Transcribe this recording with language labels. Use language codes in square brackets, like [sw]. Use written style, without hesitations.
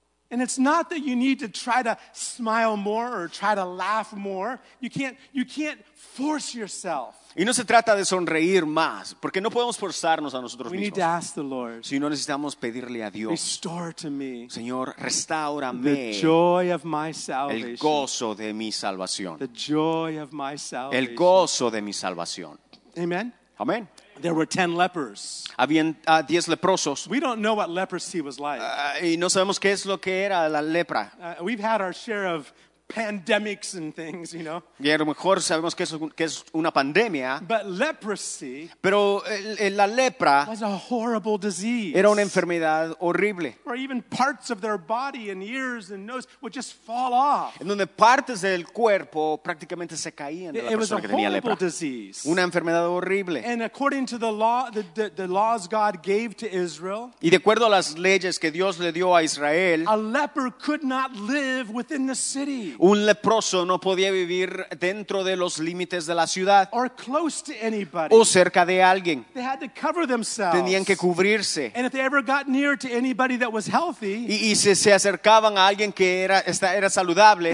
[en] And it's not that you need to try to smile more or try to laugh more. You can't force yourself. [es] Y no se trata de sonreír más, porque no podemos forzarnos a nosotros [en] we [es] mismos. [en] We need to ask the Lord. [es] Si no necesitamos pedirle a Dios. [en] Restore to me. [es] Señor, restáurame. [en] The joy of my salvation. [es] El gozo de mi salvación. [en] The joy of my salvation. [es] El gozo de mi salvación. [en] Amen. [es] Amen. [en] There were 10 lepers. [es] Habían 10 leprosos. [en] We don't know what leprosy was like. [es] Y no sabemos qué es lo que era la lepra. [en] We've had our share of pandemics and things, you know. [es] Y a lo mejor sabemos que es una pandemia. [en] But leprosy. [es] Pero la lepra [en] was a horrible disease. [es] Era una enfermedad horrible. [en] Or even parts of their body and ears and nose would just fall off. [es] En donde partes del cuerpo prácticamente se caían de la persona que tenía lepra. [en] It was a horrible disease. [es] Una enfermedad horrible. [en] And according to the law, the laws God gave to Israel. [es] Y de acuerdo a las leyes que Dios le dio a Israel. [en] A leper could not live within the city. [es] Un leproso no podía vivir dentro de los límites de la ciudad [en] or close to anybody. [es] O cerca de alguien. [en] They had to cover themselves. [es] Tenían que cubrirse. [en] And if they ever got near to anybody that was healthy, [es] y si se acercaban a alguien que era saludable,